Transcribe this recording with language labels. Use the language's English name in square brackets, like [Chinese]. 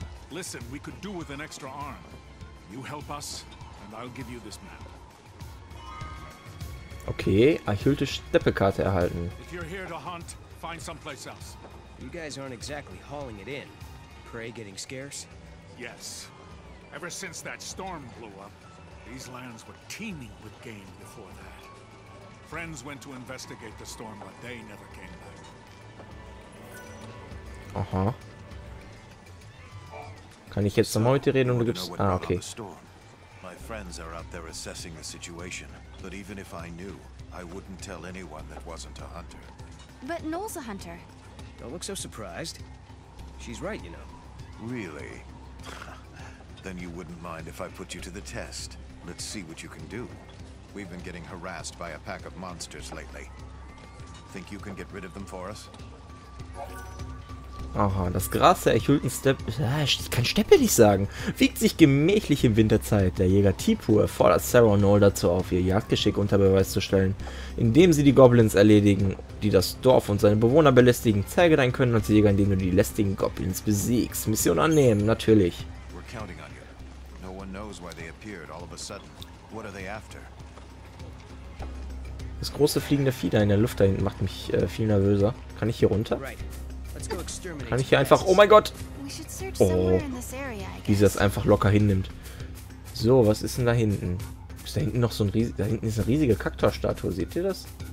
[English] Listen, we could do with an extra arm. You help us, and I'll give you this map. [German] Okay, erhüllte Steppekarte erhalten. [English] If you're here to hunt, find someplace else. You guys aren't exactly hauling it in. Prey getting scarce? Yes. Ever since that storm blew up, these lands were teeming with game before that. Friends went to investigate the storm, but they never came back. Aha. [German] Kann ich jetzt nochmal mit dir reden und du gibst... Ah, okay. [English] My friends are out there assessing the situation. But even if I knew, I wouldn't tell anyone that wasn't a hunter. But Noel's a hunter. Don't look so surprised. She's right, you know. Really? Then you wouldn't mind if I put you to the test. Let's see what you can do. We've been getting harassed by a pack of monsters lately. Think you can get rid of them for us? [German] Aha, das Gras der erhüllten Steppe... Ich kann Steppe nicht sagen. Wiegt sich gemächlich im Winterzeit. Der Jäger Tipur fordert Sarah und Noel dazu auf, ihr Jagdgeschick unter Beweis zu stellen. Indem sie die Goblins erledigen, die das Dorf und seine Bewohner belästigen, zeige dein Können als Jäger, indem du die lästigen Goblins besiegst. Mission annehmen, natürlich. [English] We're counting on you. No one knows why they appeared all of a sudden. What are they after? [German] Das große fliegende Fieder in der Luft da hinten macht mich viel nervöser. Kann ich hier runter? Kann ich hier einfach... Oh mein Gott! Oh, wie sie das einfach locker hinnimmt. So, was ist denn da hinten? Ist da hinten noch so ein riesiger... Da hinten ist eine riesige Kaktusstatue. Seht ihr das?